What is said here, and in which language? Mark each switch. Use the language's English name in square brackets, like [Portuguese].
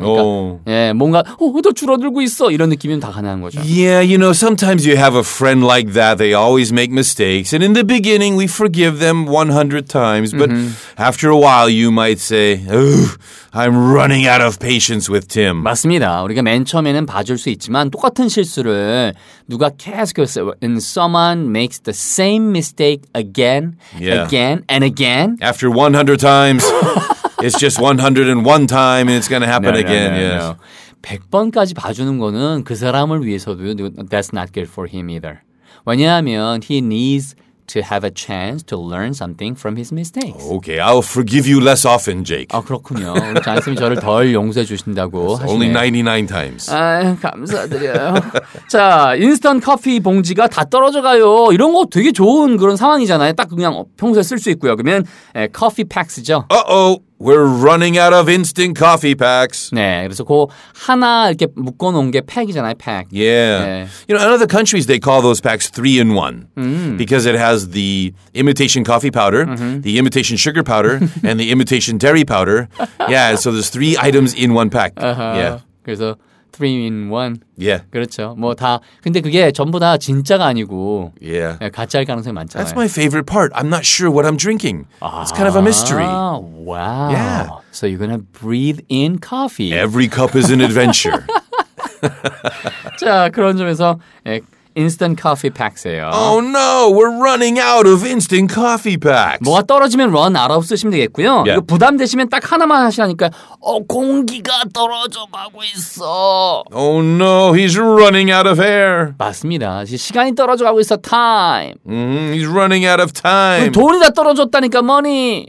[Korean] 그러니까 예, 뭔가 더 줄어들고 있어 이런 느낌이면 다 가능한 거죠. [English] Yeah, you know, sometimes you have a friend like that. They always make mistakes, and in the beginning, we forgive them 100 times. But after a while, you might say, I'm running out of patience with Tim. [Korean] 맞습니다. 우리가 맨 처음에는 봐줄 수 있지만 똑같은 실수를 누가 계속해서 [English] and someone makes the same mistake again, yeah. again and again. After 100 times. It's just 101 time and it's going to happen again. No, yes. No. [Korean] 100번까지 봐주는 거는 그 사람을 위해서도 [English] that's not good for him either. 왜냐하면 he needs to have a chance to learn something from his mistakes. Okay, I'll forgive you less often, Jake. [Korean] 아, 그렇군요. 잔쌤이 저를 덜 용서해 주신다고 하시네요. [English] Only 99 times. [Korean] 아, 감사드려요. 자, 인스턴트 커피 봉지가 다 떨어져 가요. 이런 거 되게 좋은 그런 상황이잖아요. 딱 그냥 평소에 쓸 수 있고요. 그러면 커피 팩스죠. [English] Uh-oh. We're running out of instant coffee packs. [Korean] 네, 그래서 그 하나 이렇게 묶어놓은 게 팩이잖아요, 팩. [English] Yeah. [Korean] 네. [English] You know, in other countries, they call those packs 3-in-1 because it has the imitation coffee powder, the imitation sugar powder, and the imitation dairy powder. Yeah, so there's three items in one pack. Uh-huh. Yeah. [Korean] 그래서 3-in-1. [English] Yeah. [Korean] 그렇죠. 뭐 다. 근데 그게 전부 다 진짜가 아니고 [English] yeah. [Korean] 가짜일 가능성이 많잖아요. [English] That's my favorite part. I'm not sure what I'm drinking. 아, It's kind of a mystery. Wow. Yeah. So you're gonna breathe in coffee. Every cup is an adventure. [Korean] 자, 그런 점에서 예, instant coffee packs예요. [English] Oh no, we're running out of instant coffee packs. [Korean] 뭐가 떨어지면 run out 쓰시면 되겠고요. [English] Yeah. [Korean] 이거 부담되시면 딱 하나만 하시라니까 어, 공기가 떨어져 가고 있어. [English] Oh no, he's running out of air. [Korean] 맞습니다. 시간이 떨어져 가고 있어. [English] Time. He's running out of time. [Korean] 돈이 다 떨어졌다니까, money.